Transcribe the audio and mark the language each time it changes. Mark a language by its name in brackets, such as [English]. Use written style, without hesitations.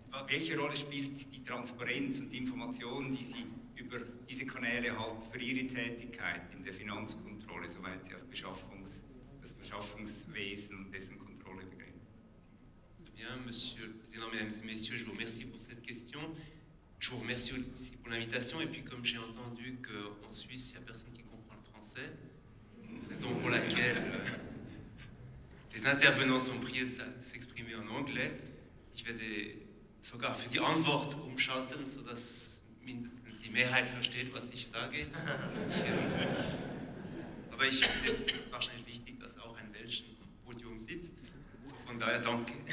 [German] Welche Rolle spielt die Transparenz und die Informationen, die Sie über diese Kanäle halten, für Ihre Tätigkeit in der Finanzkontrolle, soweit Sie auf das Beschaffungswesen und dessen Kontrolle begrenzen? [French] Bien, Monsieur le Président, Mesdames et Messieurs, je vous remercie pour cette question. Je vous remercie aussi pour l'invitation. Et puis, comme j'ai entendu qu'en Suisse, il n'y a personne qui comprend le français. Raison pour laquelle les intervenants sont priés de s'exprimer en anglais. [German] Ich werde sogar für die Antwort umschalten, sodass mindestens die Mehrheit versteht, was ich sage. Aber ich finde es wahrscheinlich wichtig, dass auch ein Belgier am Podium sitzt. So von daher danke.